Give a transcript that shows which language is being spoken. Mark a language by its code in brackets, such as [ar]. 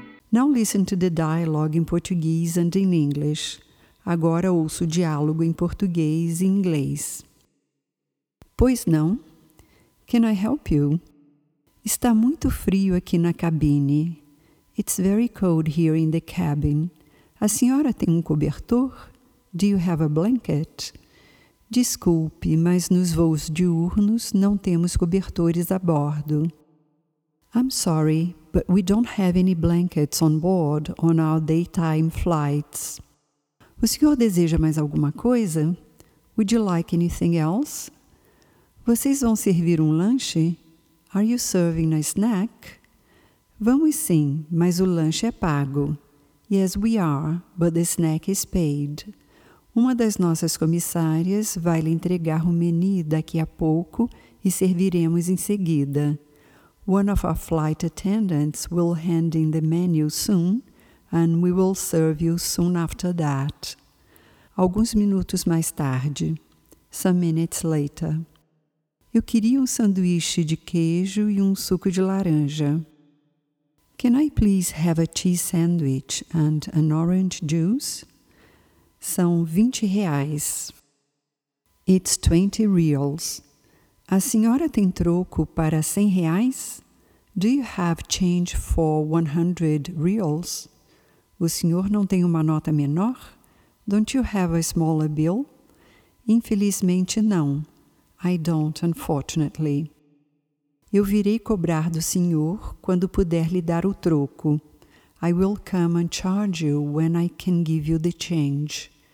[en] Now listen to the dialogue in Portuguese and in English. [pt] Agora ouço o diálogo em português e inglês. Pois não? [en] Can I help you? [pt] Está muito frio aqui na cabine. [en] It's very cold here in the cabin. [pt] A senhora tem um cobertor? [en] Do you have a blanket? [pt] Desculpe, mas nos voos diurnos não temos cobertores a bordo. [en] I'm sorry, but we don't have any blankets on board on our daytime flights. [pt] O senhor deseja mais alguma coisa? [en] Would you like anything else? [pt] Vocês vão servir um lanche? [en] Are you serving a snack? [pt] Vamos sim, mas o lanche é pago. [en] Yes, we are, but the snack is paid. [pt] Uma das nossas comissárias vai lhe entregar o menu daqui a pouco e serviremos em seguida. [en] One of our flight attendants will hand in the menu soon, and we will serve you soon after that. [pt] Alguns minutos mais tarde. [en] Some minutes later. [pt] Eu queria um sanduíche de queijo e um suco de laranja. [en] Can I please have a cheese sandwich and an orange juice? [pt] São 20 reais. [en] It's 20 reals. [pt] A senhora tem troco para 100 reais? [en] Do you have change for 100 reals? [pt] O senhor não tem uma nota menor? [en] Don't you have a smaller bill? [pt] Infelizmente, não. [en] I don't, unfortunately. [pt] Eu virei cobrar do senhor quando puder lhe dar o troco. [en] I will come and charge you when I can give you the change.